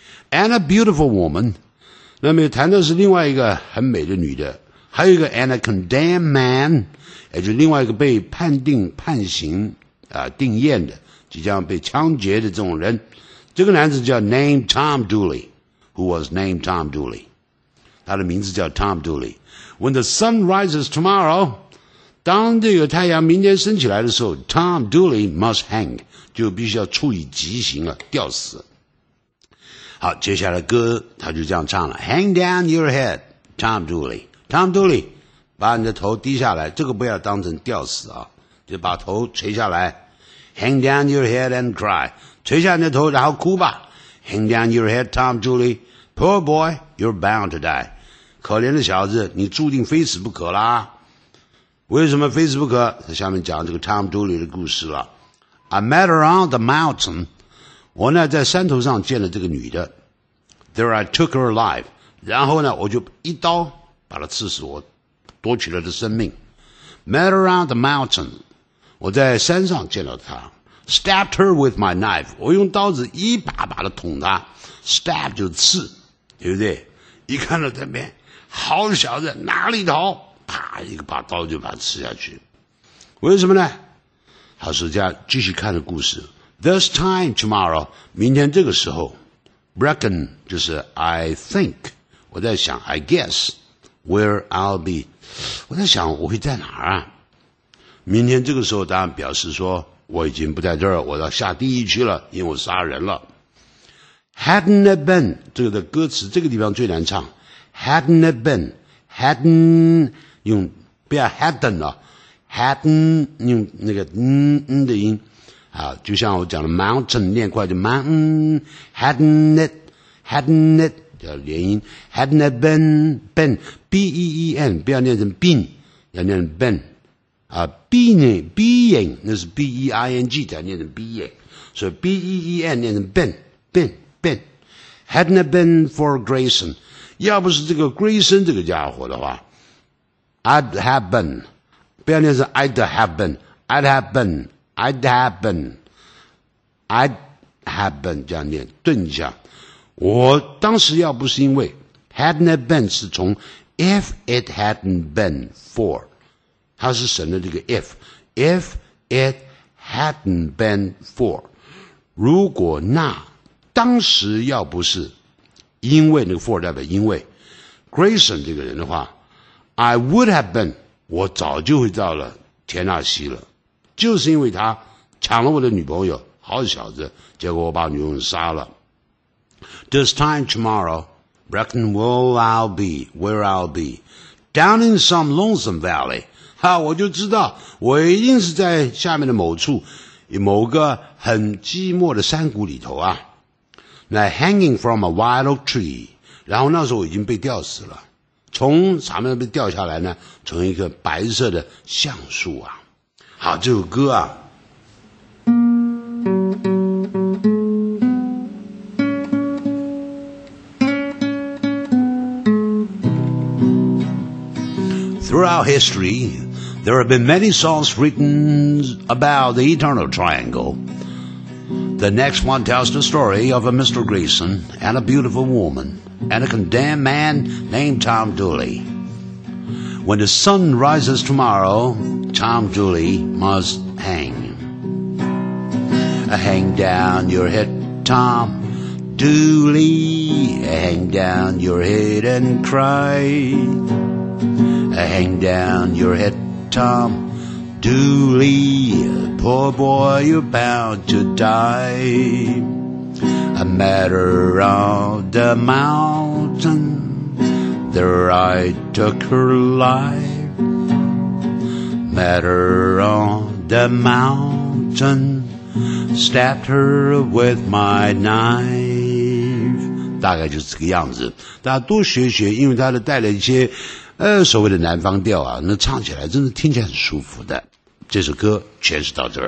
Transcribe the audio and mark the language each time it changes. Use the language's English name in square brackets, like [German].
[English] And a beautiful woman， [Chinese] 那么谈的是另外一个很美的女的，还有一个 [English] and a condemned man， [Chinese] 也就是另外一个被判定判刑啊定验的即将被枪决的这种人，这个男子叫 named Tom Dooley， [English] who was named Tom Dooley， [Chinese] 他的名字叫 Tom Dooley。 [English] When the sun rises tomorrow， [Chinese] 当这个太阳明天升起来的时候， [English] Tom Dooley must hang， [Chinese] 就必须要处以极刑啊，吊死。好，接下来歌他就这样唱了 [English] Hang down your head, Tom Dooley. [Chinese] Tom Dooley, 把你的头低下来，这个不要当成吊死啊，就把头垂下来。 [English] Hang down your head and cry, [Chinese] 垂下你的头然后哭吧。 [English] Hang down your head, Tom Dooley, poor boy, you're bound to die. [Chinese] 可怜的小子，你注定非死不可啦。为什么非死不可？他下面讲这个 Tom Dooley 的故事了。 [English] I met her on the mountain. [Chinese] 我呢在山头上见了这个女的 [English] There I took her alive， [Chinese] 然后呢我就一刀把她刺死，我夺取了她的生命。 [English] Met her on the mountain， [Chinese] 我在山上见到她。 [English] stabbed her with my knife. [Chinese] 我用刀子一把把的捅她。stab 就刺，对不对？一看到这边，好小子，哪里逃？啪，一个把刀就把他刺下去。为什么呢？好，这样继续看的故事。 [English] This time tomorrow， [Chinese] 明天这个时候 ，reckon 就是 [English] I think， [Chinese] 我在想 ， [English] I guess where I'll be， [Chinese] 我在想我会在哪儿啊？明天这个时候，当然表示说我已经不在这儿，我到下地狱去了，因为我杀人了。 [English] Hadn't it been [Chinese] 这个的歌词这个地方最难唱 ， [English] Hadn't it been hadn't [Chinese] 用不要 hadn't 啊 ，hadn't 用那个嗯的音。啊，就像我讲的 [English] mountain 念快就 mountain hadn't it hadn't it [Chinese] 叫连音 [English] hadn't it been been b e e n [Chinese] 不要念成 [English] been 要念成 been 啊 being being [Chinese] 那是 [English] b e i n g 才念成 being 所以 b e e n 念成 been been been hadn't it been for Grayson [Chinese] 要不是这个 [English] Grayson [Chinese] 这个家伙的话 [English] I'd have been 不要念成 I'd have been I'd have beenI'd happen, I'd happen, [Chinese] 这样念，顿一下。我当时要不是因为 [English] hadn't it been [Chinese] 是从 [English] if it hadn't been for, [Chinese] 它是省了这个 if it hadn't been for, 如果那当时要不是因为那个 for 代表因为 Grayson 这个人的话 [English] I would have been, [Chinese] 我早就会到了田纳西了。就是因为他抢了我的女朋友，好小子，结果我把女朋友杀了。 [English] This time tomorrow, reckon where I'll be, where I'll be, down in some lonesome valley. [Chinese] 哈，我就知道，我一定是在下面的某处，某个很寂寞的山谷里头啊。那 [English] hanging from a wild oak tree, [Chinese] 然后那时候我已经被吊死了，从上面被吊下来呢，从一棵白色的橡树啊。好，这首歌啊， [English] Throughout history, there have been many songs written about the Eternal Triangle. The next one tells the story of a Mr. Grayson and a beautiful woman and a condemned man named Tom Dooley. When the sun rises tomorrow,Tom Dooley must hang. Hang down your head, Tom Dooley. Hang down your head and cry. Hang down your head, Tom Dooley. Poor boy, you're bound to die. A matter of the mountain, there I took her life. Matter on the mountain Stabbed her with my knife [Chinese] 大概就是这个样子大家多学学因为它的带了一些所谓的南方调啊那唱起来真的听起来很舒服的这首歌全是到这儿